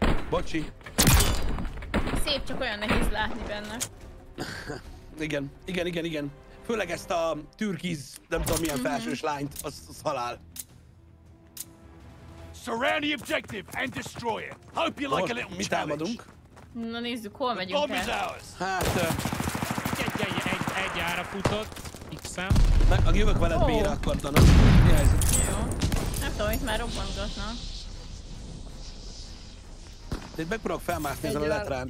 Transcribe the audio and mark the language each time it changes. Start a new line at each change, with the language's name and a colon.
Hungarian: Bocsi. Szép, csak olyan nehéz látni benne. Igen. Főleg ezt a türkiz, nem tudom milyen felsős lányt, az halál.
English: Surround the objective and destroy it. Hope you like a little challenge.
Hungarian: Mi támadunk? Na nézzük, hol megyünk el. Hát... Egy ára futott. X-en. Meg a jövök veled B-re akkor tanul. Mi helyzet? Jó. Nem tudom, itt már robbantgatna. De itt megpróbálok felmászni ezen a letrán.